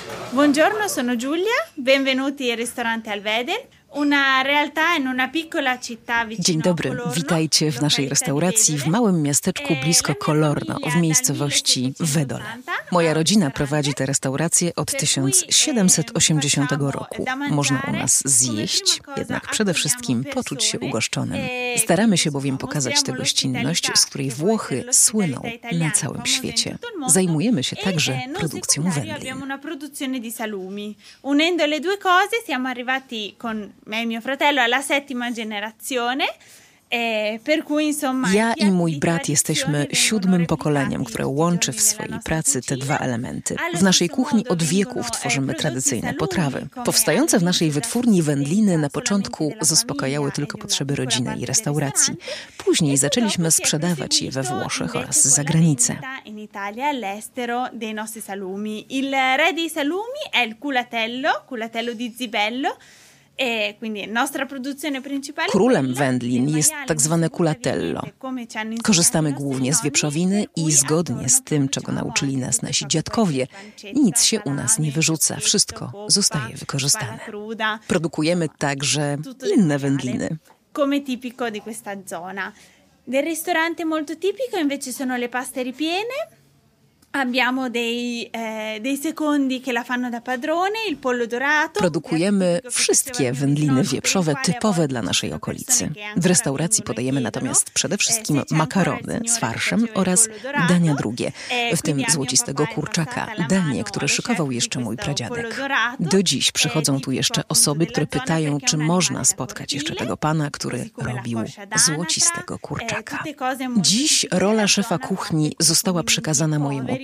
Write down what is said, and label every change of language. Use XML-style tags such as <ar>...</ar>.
<it>Buongiorno, sono Giulia. Benvenuti al ristorante Al Vedel. Una realtà in una piccola città vicino.</it> <pl>Dzień dobry, witajcie w naszej restauracji w małym miasteczku blisko Colorno, w miejscowości Vedole. Moja rodzina prowadzi tę restaurację od 1780 roku. Można u nas zjeść, jednak przede wszystkim poczuć się ugoszczonym. Staramy się bowiem pokazać tę gościnność, z której Włochy słyną na całym świecie. Zajmujemy się także produkcją wędli.</pl> <it>Unendo le due cose siamo arrivati con me e mio fratello alla settima generazione.</it> <pl>Ja i mój brat jesteśmy siódmym pokoleniem, które łączy w swojej pracy te dwa elementy. W naszej kuchni od wieków tworzymy tradycyjne potrawy. Powstające w naszej wytwórni wędliny na początku zaspokajały tylko potrzeby rodziny i restauracji. Później zaczęliśmy sprzedawać je we Włoszech oraz za granicę.</pl> <it>Il re dei salumi è il culatello, culatello di Zibello.</it> <pl>Królem wędlin jest tak zwane culatello. Korzystamy głównie z wieprzowiny i zgodnie z tym, czego nauczyli nas nasi dziadkowie, nic się u nas nie wyrzuca, wszystko zostaje wykorzystane. Produkujemy także inne wędliny.</pl> <it>Come tipico di questa zona. Del ristorante molto tipico invece sono le paste ripiene. Abbiamo dei secondi che la fanno da padrone, il pollo dorato.</it> <pl>Produkujemy wszystkie wędliny wieprzowe typowe dla naszej okolicy. W restauracji podajemy natomiast przede wszystkim makarony z farszem oraz dania drugie, w tym złocistego kurczaka, danie, które szykował jeszcze mój pradziadek. Do dziś przychodzą tu jeszcze osoby, które pytają, czy można spotkać jeszcze tego pana, który robił złocistego kurczaka. Dziś rola szefa kuchni została przekazana mojemu</pl>